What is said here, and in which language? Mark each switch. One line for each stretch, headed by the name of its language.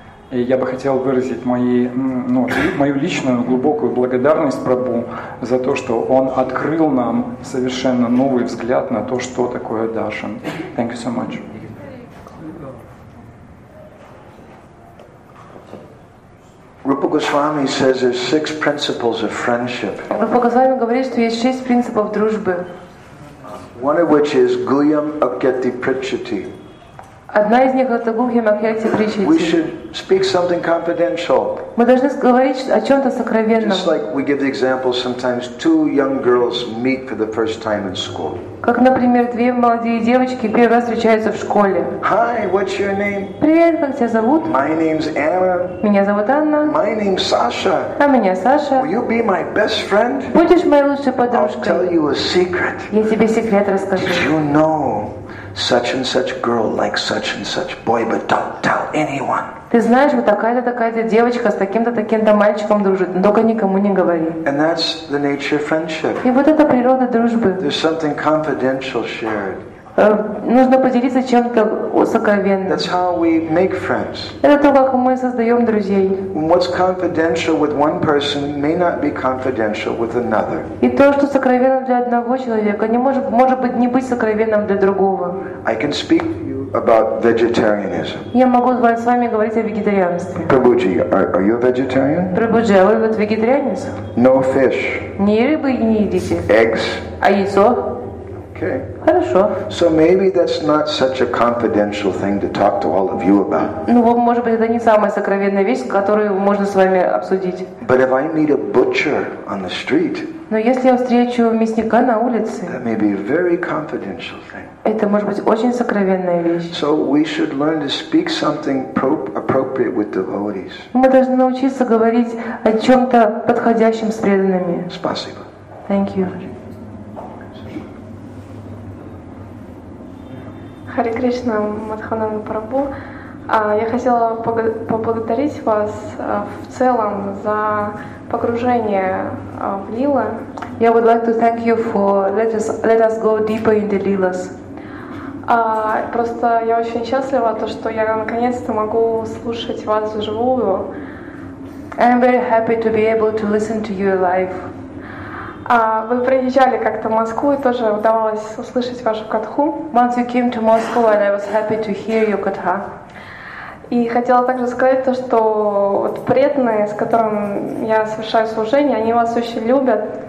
Russian: И я бы хотел выразить мою личную глубокую благодарность Прабху за то, что он открыл нам совершенно новый взгляд на то, что такое darshan.
English: Thank you so much. Rupa Goswami says there's six principles of friendship.
Russian: Rupa Goswami говорит, что есть шесть принципов дружбы.
English: One of which is
Sanskrit: guhyam akyati prichati.
Russian: Одна из них это
Sanskrit: guhyam akyati prichati.
English: We should speak something confidential.
Russian: Мы должны говорить о чем-то сокровенном.
English: Just like we give the example sometimes two young girls meet for the first time in school.
Russian: Как, например, две молодые девочки первый раз встречаются в школе.
English: Hi, what's your name?
Russian: Привет, как тебя зовут?
English: My name's Anna.
Russian: Меня зовут Анна.
English: My name's Sasha.
Russian: А меня Саша.
English: Will you be my best friend?
Russian: Будешь моей лучшей подружкой?
English: I'll tell you a secret.
Russian: Я тебе секрет расскажу.
English: Did you know such and such girl likes such and such boy, but don't tell anyone.
Russian: Ты знаешь, вот такая-то девочка с таким-то таким-то мальчиком дружит, но только никому не говори.
English: And that's the nature of friendship.
Russian: И вот это природа дружбы.
English: There's something confidential shared.
Russian: Нужно поделиться чем-то сокровенным.
English: That's how we make friends.
Russian: Это то, как мы создаем друзей.
English: What's confidential with one person may not be confidential with another.
Russian: И то, что сокровенно для одного человека, может быть не сокровенным для другого.
English: I can speak to you about vegetarianism.
Russian: Я могу с вами говорить о вегетарианстве.
English: Прабуджи, are you a vegetarian?
Russian: Прабуджи, а вы вот вегетарианец?
English: No fish.
Russian: Ни рыбы не едите.
English: Eggs.
Russian: А яйцо?
English: Okay.
Russian: Хорошо.
English: So maybe that's not such a confidential thing to talk to all of you about.
Russian: Ну, может быть, это не самая сокровенная вещь, которую можно с вами обсудить.
English: But if I meet a butcher on the street,
Russian: но если я встречу мясника на улице,
English: that may be a very confidential thing.
Russian: Это может быть очень сокровенная вещь.
English: So we should learn to speak something appropriate with devotees.
Russian: Мы должны научиться говорить о чем-то подходящем с преданными. Спасибо.
English: Thank you.
Russian: Харе Кришна, Мадхананда Прабху. Я хотела поблагодарить вас в целом за погружение в лила.
English: Я would like to thank you for let us go deeper in the lilas.
Russian: Просто я очень счастлива то, что я наконец-то могу слушать вас вживую.
English: I'm very happy to be able to listen to you live.
Russian: Вы приезжали как-то в Москву и тоже удавалось услышать вашу катху.
English: Once you came to Moscow and I was happy to hear your katha.
Russian: И хотела также сказать то, что вот преданные, с которыми я совершаю служение, они вас очень любят.